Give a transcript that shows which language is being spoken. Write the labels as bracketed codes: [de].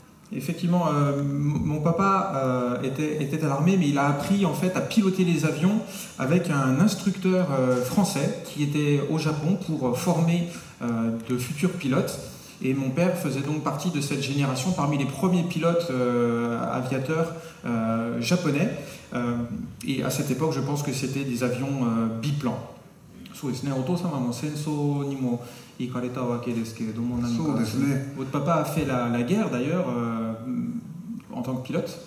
[fr] Effectivement, mon papa était à l'armée, mais il a appris en fait à piloter les avions avec un instructeur français qui était au Japon pour former de futurs pilotes. Et mon père faisait donc partie de cette génération parmi les premiers pilotes aviateurs japonais. Et à cette époque, je pense que c'était des avions biplans. [ja] そうですね。お父様も戦争にも行かれたわけですけれども、何かそうですね。 [fr] Votre papa a fait la guerre d'ailleurs en tant que pilote、